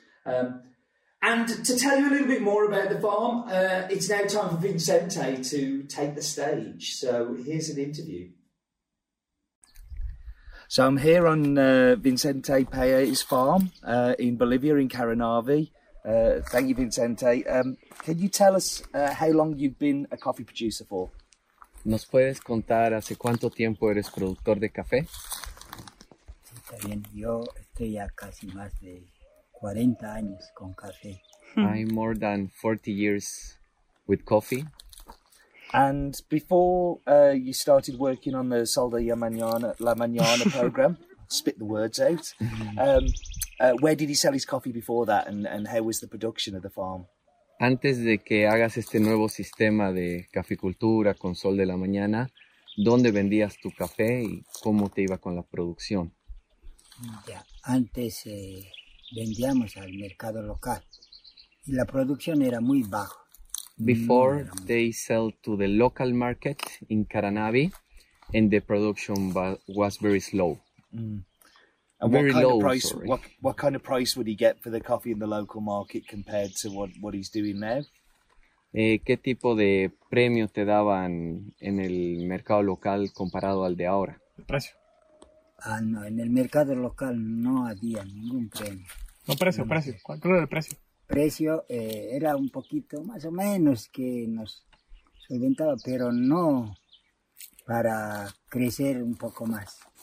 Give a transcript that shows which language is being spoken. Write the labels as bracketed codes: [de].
[en] And to tell you a little bit more about the farm, it's now time for Vicente to take the stage. So here's an interview. So I'm here on Vicente Paez's farm in Bolivia, in Caranavi. Thank you, Vicente. Can you tell us how long you've been a coffee producer for? [es] ¿Nos puedes contar hace cuánto tiempo eres productor de café? Está bien. Yo estoy ya casi más de 40 años con café. [en] I'm more than 40 years with coffee. And before you started working on the Sol de la Mañana program, spit the words out, where did he sell his coffee before that, and how was the production of the farm? [es] Antes de que hagas este nuevo sistema de caficultura con Sol de la Mañana, ¿dónde vendías tu café y cómo te iba con la producción? Ya, antes vendíamos al mercado local y la producción era muy baja. [en] Before, they sell to the local market in Caranavi, and the production was very slow. And very low, what kind of price would he get for the coffee in the local market compared to what he's doing now? [es] ¿Qué tipo de premio te daban en el mercado local comparado al de ahora? El precio. Ah, no, en el mercado local no había ningún premio. No, precio, no, precio. ¿Cuál era el precio? Precio era un poquito más o menos que nos solventaba, pero no para crecer un poco más.